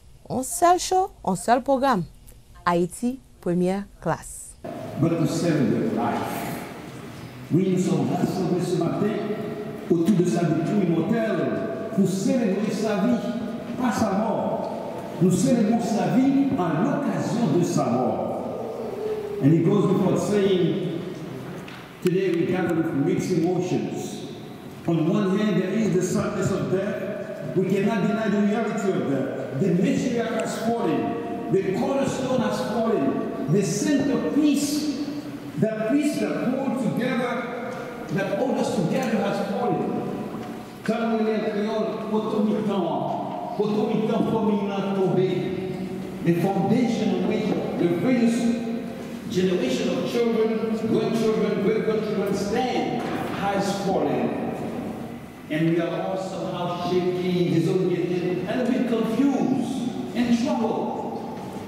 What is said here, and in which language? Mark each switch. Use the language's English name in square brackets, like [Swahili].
[French] Un seul show, un seul programme, Haïti première classe. [English] But to save the life. [French] Oui, nous sommes rassemblés ce matin autour de sa vitrine immortelle, nous célébrer sa vie, pas sa mort. Nous célébrons sa vie à l'occasion de sa mort. [English] And it goes without saying, today we have mixed emotions. On one hand, there is the sadness of death. We cannot deny the reality of death. The matriarch has fallen. The cornerstone has fallen. The centerpiece, the piece that holds together, that holds us together, has fallen. [French] Comme les créoles, autant mi-temps formidable tombé. [English] The foundation of which the previous generation of children, grandchildren, great grandchildren stand, has fallen. And we are all somehow shaky, disoriented, and a bit confused and troubled.